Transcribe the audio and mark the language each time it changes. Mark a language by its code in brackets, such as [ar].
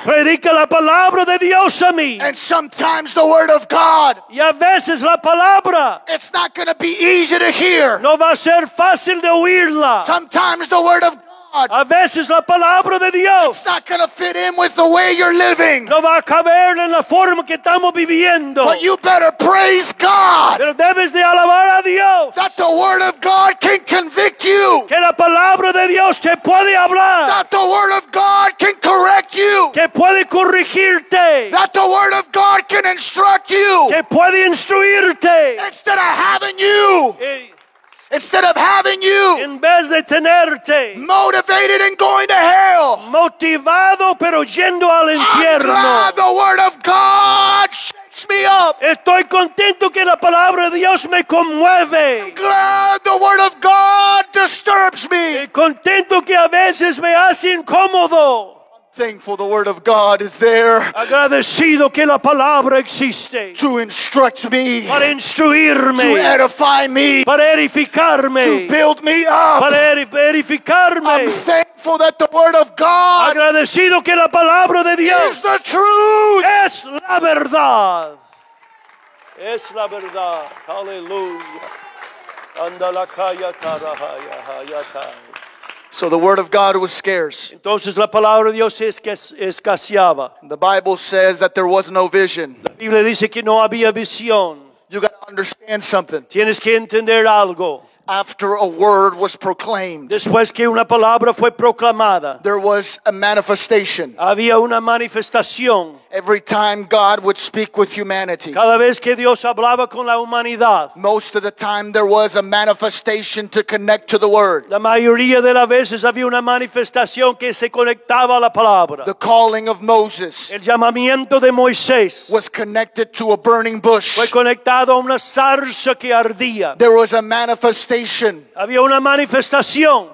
[es] Predica la palabra de Dios a mí. [en] And sometimes the word of God, [es] y a veces la palabra, [en] it's not going to be easy to hear. [es] No va a ser fácil de oírla. [en] Sometimes the word of God, [es] a veces la palabra de Dios, [en] it's not going to fit in with the way you're living. [es] No va a caber en la forma que estamos viviendo. [en] But you better praise God. [es] Pero debes de alabar a Dios. [en] That the word of God can convict you. [es] Que la palabra de Dios te puede hablar. [en] That the word of God can correct you. [es] Que puede corregirte. [en] That the word of God can instruct you. [es] Que puede instruirte. [en] Instead of having you. Instead of having you, [es] en vez de tenerte, [en] motivated and going to hell, [es] motivado pero yendo al infierno, [en] I'm glad the word of God shakes me up. [es] Estoy contento que la palabra de Dios me conmueve. [en] I'm glad the word of God disturbs me. [es] Contento que a veces me hace incómodo. [en] Thankful the word of God is there. [es] Agradecido que la palabra existe. [en] To instruct me. [es] Para instruirme. [en] To edify me. [es] Para edificarme. [en] To build me up. [es] Para edificarme. [en] I'm thankful that the word of God. [es] Agradecido que la palabra de Dios. [en] Is the truth. [es] Es la verdad. Es la verdad. Hallelujah. Andalakaya tarahaya hayata. [en] So the word of God was scarce. [es] Entonces la palabra de Dios escaseaba. [en] The Bible says that there was no vision. [es] La Biblia dice que no había visión. [en] You got to understand something. [es] Tienes que entender algo. [en] After a word was proclaimed. [es] Después que una palabra fue proclamada. [en] There was a manifestation. [es] Había una manifestación. [en] Every time God would speak with humanity. [es] Cada vez que Dios hablaba con la humanidad. [en] Most of the time there was a manifestation to connect to the word. [es] La mayoría de las veces había una manifestación que se conectaba a la palabra. [en] The calling of Moses. [es] El llamamiento de Moisés. [en] Was connected to a burning bush. [es] Fue conectado a una zarza que ardía. [en] There was a manifestation. [es] Había una manifestación.